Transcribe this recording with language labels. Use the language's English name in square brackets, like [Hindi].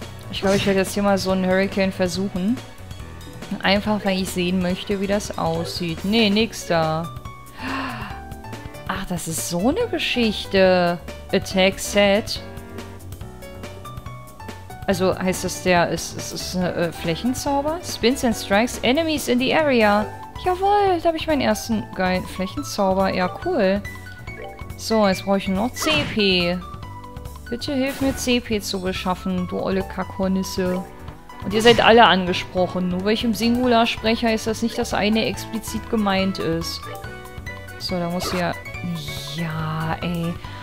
[German] Ich glaube, ich werde jetzt hier mal so einen Hurricane versuchen. Einfach, weil ich sehen möchte, wie das aussieht. Nee, nix da. Ach, das ist so eine Geschichte. [English] Attack Set. [German] Also heißt das, der ist Flächenzauber? [English] Spins and Strikes Enemies in the Area. [German] Jawohl, da habe ich meinen ersten geilen Flächenzauber. Ja, cool. So, jetzt brauche ich noch CP. Bitte hilf mir, CP zu beschaffen, du olle Kackhornisse. Und ihr seid alle angesprochen. Nur weil ich im Singular spreche, heißt das nicht, dass eine explizit gemeint ist. So, da muss sie ja... Ja, ey.